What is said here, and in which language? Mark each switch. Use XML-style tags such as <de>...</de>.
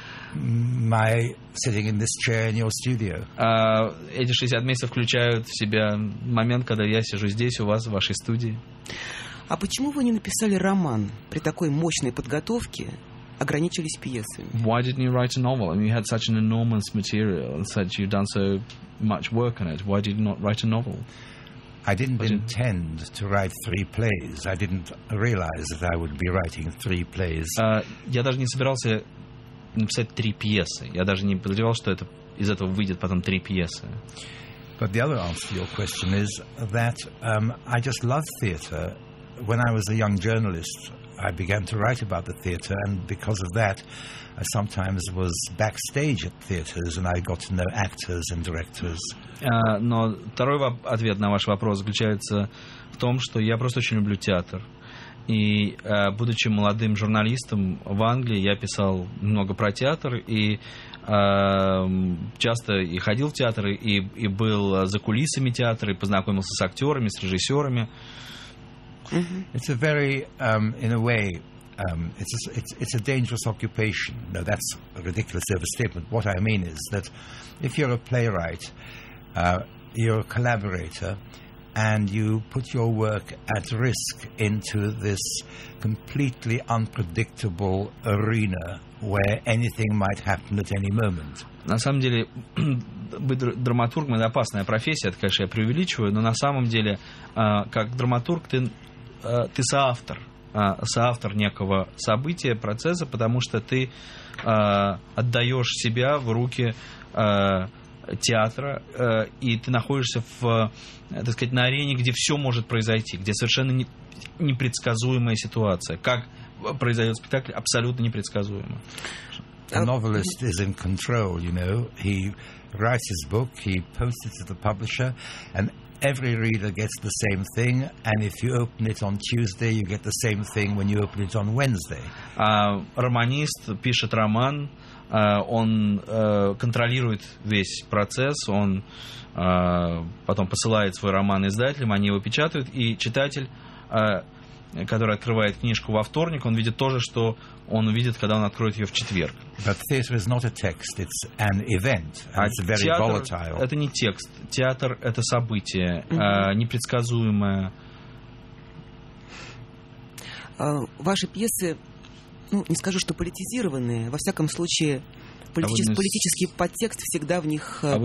<en>My sitting in this chair in your studio.</en> <ru>Эти 60 месяцев включают в себя момент, когда я сижу здесь у вас в вашей студии. А почему вы не написали роман при такой мощной подготовке? Ограничились пьесами.</ru> <en>Why didn't you write a novel? I mean, you had such an enormous material and said you'd done so much work on it. Why did you not write a novel? I didn't intend to write three plays. I didn't realize that I would be writing three plays.</en> <ru>Я даже не собирался написать три пьесы. Я даже не подозревал, что это из этого выйдет потом три пьесы.</ru> <en>But the other answer to your question is that I just love theater. When I was a young journalist, I began to write about the theater, and because of that, I sometimes was backstage at theaters, and I got to know actors and directors.</en> <ru>Но второй ответ на ваш вопрос заключается в том, что я просто очень люблю театр. И будучи молодым журналистом в Англии, я писал много про театр, и часто и ходил в театр, и был за кулисами театра, и познакомился с актерами, с режиссерами. Mm-hmm.</ru> <en>It's a very, in a way, it's a dangerous occupation. Now, that's a ridiculous overstatement. What I mean is that if you're a playwright, you're a collaborator, and you put your work at risk into this completely unpredictable arena where anything might happen at any moment.</en> <ru>На самом деле, быть драматургом — это опасная профессия. Это, конечно, я преувеличиваю, но на самом деле, как драматург, ты соавтор некого события, процесса, потому что ты отдаешь себя в руки театра, и ты находишься в, так сказать, на арене, где все может произойти, где совершенно непредсказуемая ситуация. Как произойдет спектакль, абсолютно непредсказуемо.</ru> <en>A novelist is in control, you know. He writes his book, he posts it to the publisher, and every reader gets the same thing, and if you open it on Tuesday, you get the same thing when you open it on Wednesday.</en> <ru>Романист пишет роман, Он контролирует весь процесс, он потом посылает свой роман издателям, они его печатают, и читатель, который открывает книжку во вторник, он видит то же, что он увидит, когда он откроет ее в четверг.</ru> <en>But theater is not a text, it's an event, and it's very volatile.</en> <ru>Это не текст, театр — это событие, непредсказуемое. Ваши пьесы, ну, не скажу, что политизированные, во всяком случае, политический подтекст всегда в них</ru>